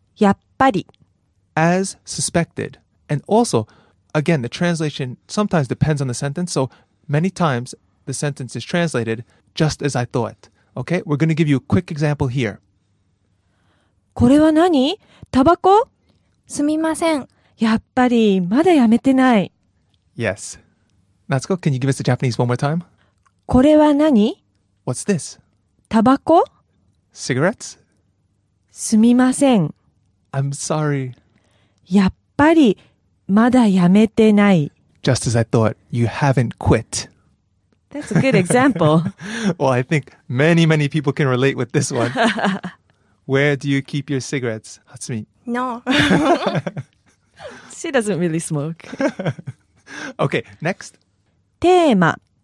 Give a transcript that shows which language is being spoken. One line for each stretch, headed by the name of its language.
Japanese: やっぱり。
English: As suspected. And also... Again, the translation sometimes depends on the sentence, so many times the sentence is translated just as I thought. Okay, we're going to give you a quick example here.
Japanese: これは何？タバコ？すみません。やっぱりまだやめてない。
English: Yes. Natsuko, can you give us the Japanese one more time?
Japanese: これは何？
English: What's this?
Japanese: タバコ？
English: Cigarettes?
Japanese: すみません。
English: I'm sorry.
Japanese: やっぱりまだやめてない。
English: Just as I thought, you haven't quit. That's a good example. Well, I think many, many people can relate with this one. Where do you keep your cigarettes, Hatsumi? No. She doesn't really smoke. Okay, next.
Japanese: テーマ。